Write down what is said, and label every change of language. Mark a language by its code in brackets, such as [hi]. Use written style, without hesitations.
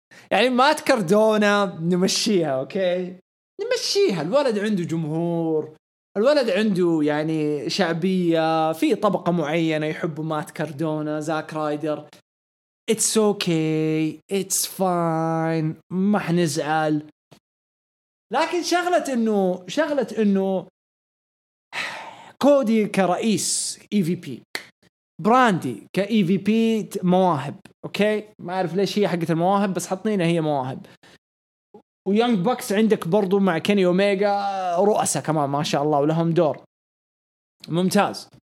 [ar] يعني ما تكردونا نمشيها، اوكي نمشيها، الولد عنده جمهور، الولد عنده يعني شعبية في طبقة معينة يحبوا مات كاردونا، زاك رايدر. [en] It's okay, it's fine، [ar] ما حنزعل. لكن شغلة انه كودي كرئيس EVP، براندي كEVP مواهب، اوكي ما اعرف ليش هي حقة المواهب بس حطينا هي مواهب. ويانج بوكس عندك برضو مع كيني أوميجا رؤسة كمان ما شاء الله ولهم دور ممتاز.